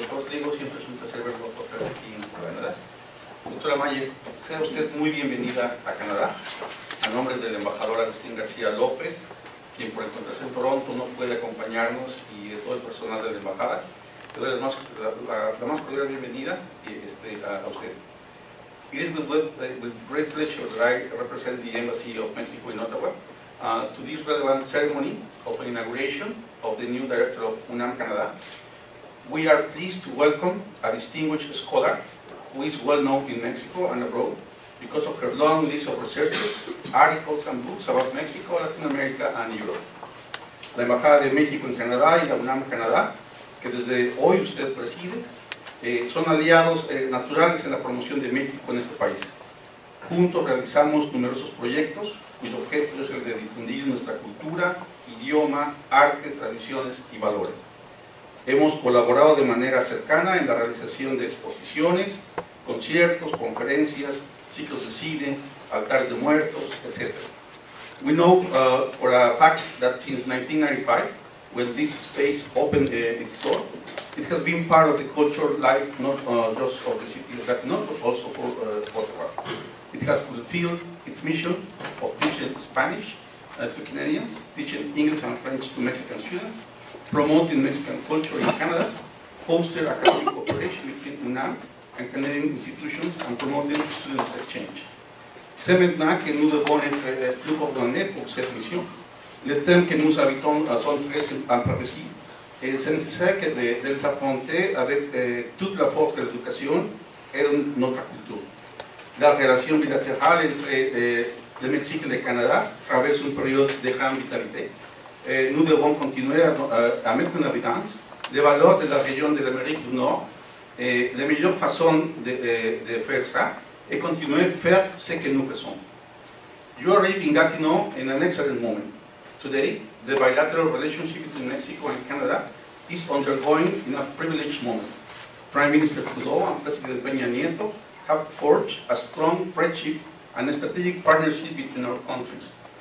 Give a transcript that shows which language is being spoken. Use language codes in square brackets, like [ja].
[es] Doctor Trigo, siempre es un placer verlo otra vez aquí en Canadá. Doctora Maye, sea usted muy bienvenida a Canadá, a nombre del embajador Agustín García López, quien por encontrarse en Toronto no puede acompañarnos, y de todo el personal de la embajada. Le doy la más cordial bienvenida a usted. [en] It is with great pleasure that I represent the Embassy of Mexico in Ottawa to this relevant ceremony of inauguration of the new director of UNAM Canada. We are pleased to welcome a distinguished scholar who is well known in Mexico and abroad because of her long list of researches, articles and books about Mexico, Latin America and Europe. [es] La Embajada de México en Canadá y la UNAM Canadá, que desde hoy usted preside, son aliados naturales en la promoción de México en este país. Juntos realizamos numerosos proyectos cuyo objeto es el de difundir nuestra cultura, idioma, arte, tradiciones y valores. Hemos colaborado de manera cercana en la realización de exposiciones, conciertos, conferencias, ciclos de cine, altares de muertos, etc. [en] We know for a fact that since 1995, when this space opened its door, it has been part of the cultural life, not just of the city of Gatineau, but also for Ottawa. It has fulfilled its mission of teaching Spanish to Canadians, teaching English and French to Mexican students, promoting Mexican culture in Canada, fostering academic cooperation between UNAM and Canadian institutions, and promoting students' exchange. [fr] C'est maintenant que nous devons être plus coordonnés pour cette mission. Les thèmes que nous habitons sont très importants. C'est nécessaire que de les affronter avec toute la force de l'éducation et de notre culture. La relation bilatérale entre le Mexique et le Canada traverse une période de grande vitalité. Nous devons continuer à mettre en évidence les valeurs de la région de l'Amérique du Nord. La meilleure façon de faire ça est continuer à faire ce que nous faisons. [en] You arrive in Gatineau in an excellent moment. Today, the bilateral relationship between Mexico and Canada is undergoing in a privileged moment. Prime Minister Trudeau and President Peña Nieto have forged a strong friendship and a strategic partnership between our countries.